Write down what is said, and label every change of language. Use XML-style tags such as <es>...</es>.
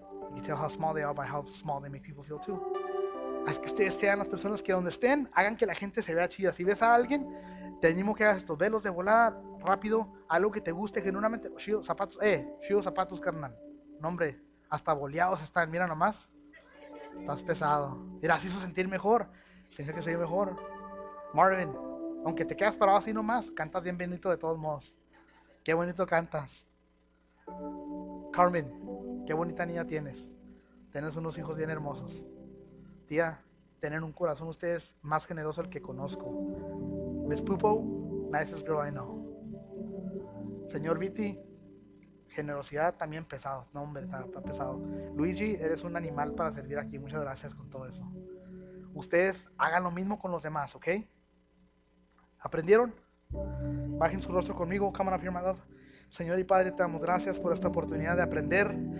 <en>You can tell how small they are by how small they make people feel too.</en> <es>Haz que ustedes sean las personas que donde estén hagan que la gente se vea chida. Si ves a alguien, te animo que hagas esto: velos de volada, rápido, algo que te guste genuinamente. Chido zapatos, chido zapatos, carnal. Nombre, hasta boleados están, mira nomás, estás pesado. Mira, así se hizo sentir mejor, se dice que se ve mejor. Marvin, aunque te quedas parado así nomás, cantas bien bonito de todos modos. Qué bonito cantas. Carmen, qué bonita niña tienes. Tienes unos hijos bien hermosos. Tía, tienen un corazón ustedes más generoso del que conozco.</es> <en>Miss Pupo, nicest girl I know.</en> <es>Señor Viti, generosidad también pesado, no hombre, está pesado. Luigi, eres un animal para servir aquí, muchas gracias con todo eso. Ustedes hagan lo mismo con los demás, ¿ok? ¿Aprendieron? Bajen su rostro conmigo,</es> <en>come on up here, my love.</en> <es>Señor y Padre, te damos gracias por esta oportunidad de aprender.</es>